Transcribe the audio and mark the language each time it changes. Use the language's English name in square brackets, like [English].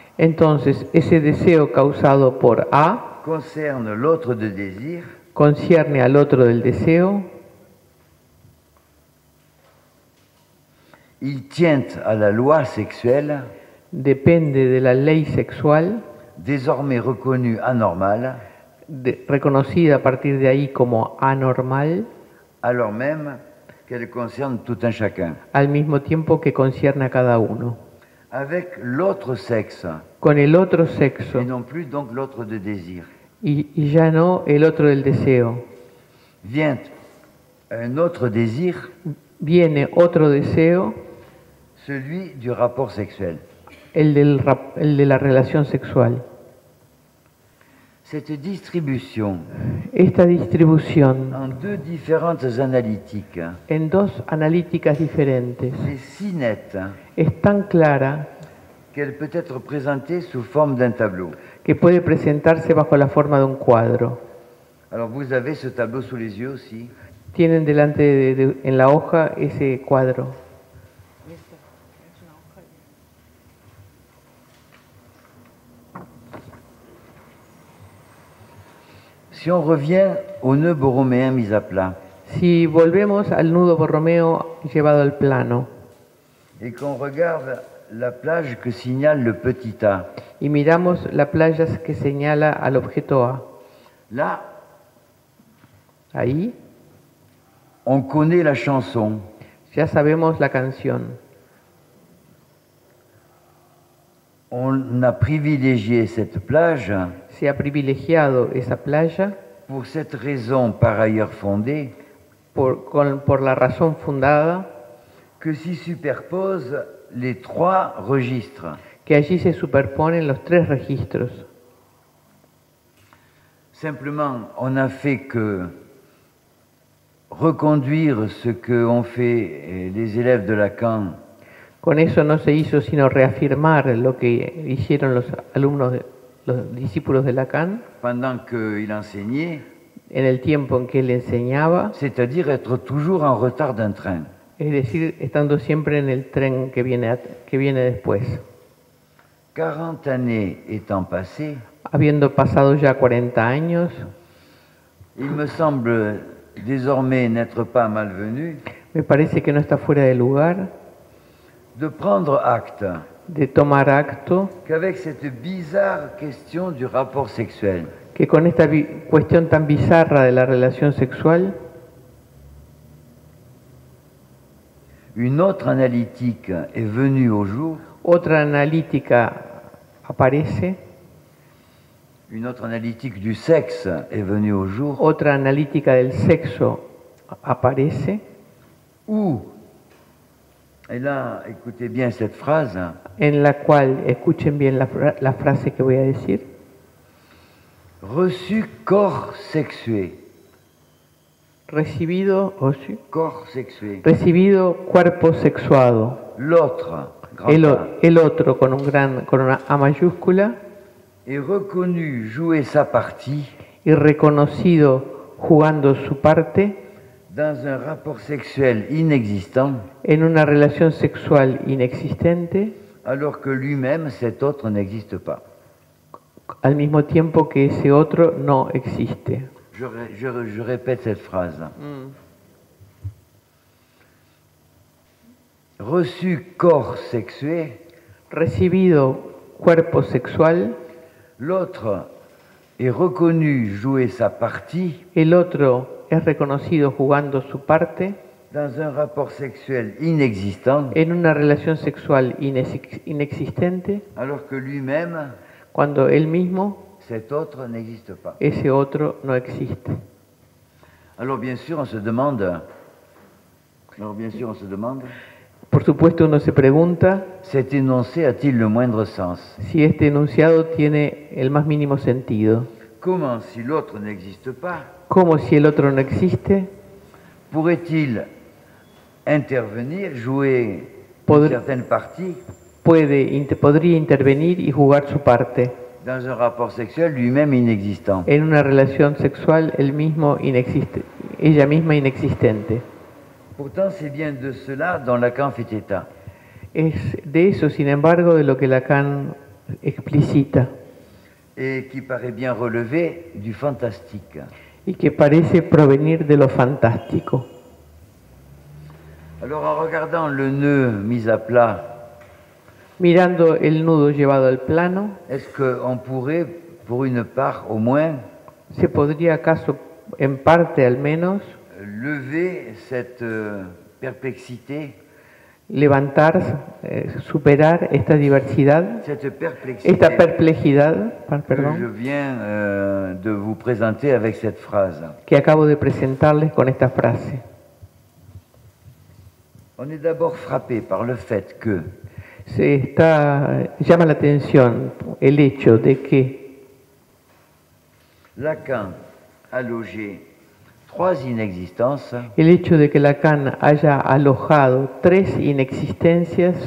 [Spanish] Entonces, ese deseo causado por A [French] concerne l'autre de désir. [Spanish] Concierne al otro del deseo. [French] Il tient à la loi sexuelle. [Spanish] Depende de la ley sexual. [French] Désormais reconnue anormal. [Spanish] Reconocida a partir de ahí como anormal, [French] alors même qu'elle concerne tout un chacun, [Spanish] al mismo tiempo que concierne a cada uno, [French] avec l'autre sexe, [Spanish] con el otro sexo, [French] et non plus donc l'autre de désir, [Spanish] y ya no el otro del deseo, [French] vient un autre désir, [Spanish] viene otro deseo, [French] celui du rapport sexuel, [Spanish] el de la relación sexual. [French] Cette distribution, [Spanish] esta distribución [French] en, deux différentes analytiques, [Spanish] en dos analíticas diferentes [French] est si net, [Spanish] es tan clara [French] qu'elle peut être présentée sous forme d'un tableau, [Spanish] que puede presentarse bajo la forma de un cuadro. [French] Alors vous avez ce tableau sous les yeux aussi. [Spanish] Tienen delante de, en la hoja ese cuadro. [French] Si on revient au nœud borroméen mis à plat. [Spanish] Si volvemos al nudo borromeo llevado al plano. [French] Et qu'on regarde la plage que signale le petit a. [Spanish] Y miramos la playa que señala al objeto A. [French] Là. [Spanish] Ahí. [French] On connaît la chanson. [Spanish] Ya sabemos la canción. [French] On a privilégié cette plage. [Spanish] Se ha privilegiado esa playa. [French] Pour cette raison par ailleurs fondée. [Spanish] Por la razón fundada. [French] Que s'y superposent les trois registres. [Spanish] Que allí se superponen los tres registros. [French] Simplement, on a fait que reconduire ce que ont fait les élèves de Lacan. [Spanish] Con eso no se hizo sino reafirmar lo que hicieron los alumnos, los discípulos de Lacan. [French] Pendant que il enseignait. [Spanish] En el tiempo en que él enseñaba. [French] C'est-à-dire être toujours en retard d'un train. [Spanish] Es decir, estando siempre en el tren que viene después. [French] 40 années étant passées. [Spanish] Habiendo pasado ya 40 años. [French] Il me semble désormais n'être pas malvenu. [Spanish] Me parece que no está fuera de lugar. [French] De prendre acte. [Spanish] De tomar acto. [French] Qu'avec cette bizarre question du rapport sexuel. [Spanish] Que con esta cuestión tan bizarra de la relación sexual. [French] Une autre analytique est venue au jour. [Spanish] Otra analítica aparece. [French] Une autre analytique du sexe est venue au jour. [Spanish] Otra analítica del sexo aparece. [French] Où. Et là, écoutez bien cette phrase. [Spanish] En la cual, escuchen bien la frase que voy a decir. [French] Reçu corps sexué. [Spanish] Recibido, [French] reçu. Corps sexué. [Spanish] Recibido cuerpo sexuado. [French] L'autre. [Spanish] El otro con un gran, con una A mayúscula. [French] Et reconnu jouer sa partie. [Spanish] Y reconocido jugando su parte. [French] dans un rapport sexuel inexistant, [Spanish] en una relación sexual inexistente, [French] alors que lui-même, cet autre, n'existe pas. [Spanish] Al mismo tiempo que ese otro no existe. [French] Je répète cette phrase. Reçu corps sexué, [Spanish] recibido cuerpo sexual, [French] l'autre est reconnu jouer sa partie, [Spanish] el otro es reconocido jugando su parte, [French] dans un rapport sexuel inexistant, [Spanish] en una relación sexual inexistente, [French] alors que lui-même, [Spanish] cuando él mismo, [French] cet autre n'existe pas. [Spanish] Ese otro no existe. [French] Alors bien sûr, on se demande. Alors bien sûr, on se demande. [Spanish] Por supuesto, uno se pregunta. [French] Cet énoncé a-t-il le moindre sens? [Spanish] Si este enunciado tiene el más mínimo sentido. [French] Comment si l'autre n'existe pas? [Spanish] ¿Cómo si el otro no existe? [French] Pourrait-il intervenir, jouer certaines parties? [Spanish] Podría intervenir y jugar su parte. [French] Dans un rapport sexuel lui-même inexistant. [Spanish] En una relación sexual el mismo inexiste, ella misma inexistente. [French] Pourtant, c'est bien de cela dont Lacan fait état. [Spanish] Es de eso, sin embargo, de lo que Lacan explicita. [French] Et qui paraît bien relever du fantastique. [Spanish] Y que parece provenir de lo fantástico. [French] Alors, en regardant le nœud mis à plat. [Spanish] Mirando el nudo llevado al plano. [French] Est-ce que on pourrait, pour une part au moins, [Spanish] se podría acaso, en parte al menos, [French] lever cette perplexité, [Spanish] levantar, superar esta diversidad, [French] cette perplexité, [Spanish] esta perplejidad, perdón, [French] que je viens de vous présenter avec cette phrase, [Spanish] que acabo de presentarles con esta frase. [French] On est d'abord frappé par le fait que [Spanish] se está, llama la atención el hecho de que [French] Lacan a logé trois inexistences, [Spanish] el hecho de que Lacan haya alojado tres inexistencias